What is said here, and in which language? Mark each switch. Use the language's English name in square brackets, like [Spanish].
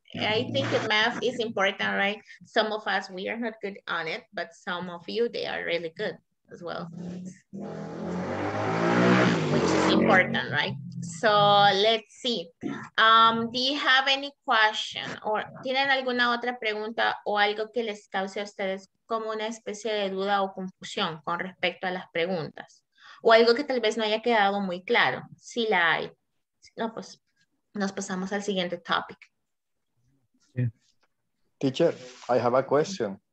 [English] I think math is important, right? Some of us, we are not good on it, but some of you, they are really good as well. Which is important, right? So let's see. Do you have any question? [Spanish] Or ¿tienen alguna otra pregunta o algo que les cause a ustedes como una especie de duda o confusión con respecto a las preguntas? O algo que tal vez no haya quedado muy claro. Si la hay. No, pues nos pasamos al siguiente topic. [English] Yeah. Teacher, I have a question.